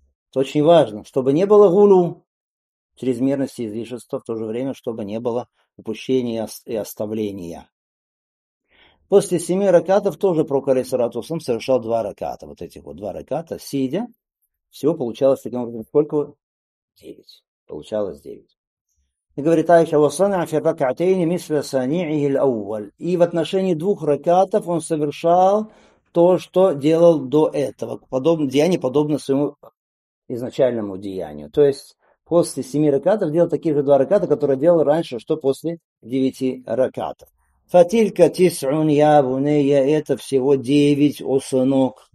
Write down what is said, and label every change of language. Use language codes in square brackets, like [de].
[ru] Это очень важно, чтобы не было гулю, чрезмерности и излишества, в то же время, чтобы не было упущения и оставления. После 7 ракатов тоже пророк, алейхиссалату вассалям, совершал 2 раката, вот этих вот 2 раката, сидя, всего получалось таким образом, сколько? 9, получалось 9. И говорит Айша, [ar] وَصَنَعَ فِي رَكَعْتَيْنِ مِثْلَ صَنِيعِهِ الْأَوَّلِ. [ru] И в отношении 2 ракатов он совершал то, что делал до этого. Деяние подобно своему изначальному деянию. То есть после 7 ракатов делал такие же 2 раката, которые делал раньше, что после 9 ракатов. [ar] فَتِلْكَ تِسْعُنْ يَا بُنَيَّ. [ru] Это всего 9, о сынок.